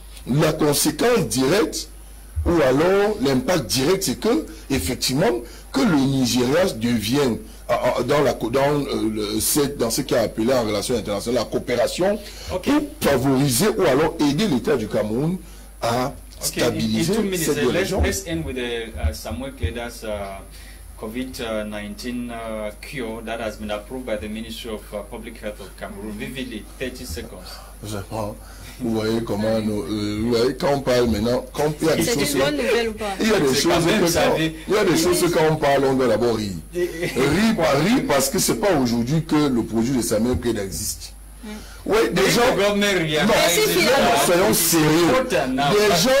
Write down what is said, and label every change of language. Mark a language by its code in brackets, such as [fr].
[fr] La conséquence directe, ou alors l'impact direct, c'est que, effectivement, que le Nigeria devienne, dans ce qui est appelé en relation internationale, la coopération, okay, pour favoriser ou alors aider l'État du Cameroun à stabiliser cette région. [en] Let's end with Samuel Kleda's COVID-19 cure that has been approved by the Ministry of Public Health of Cameroon. Vividly, 30 seconds. [fr] Je prends. Vous voyez comment nous. Vous voyez, quand on parle maintenant, quand il y a des choses. C'est une bonne nouvelle ou pas? Il y a des choses que quand on parle, on doit d'abord rire. Rire parce que ce n'est pas aujourd'hui que le produit de Samuel Kleda existe. Oui, soyons sérieux.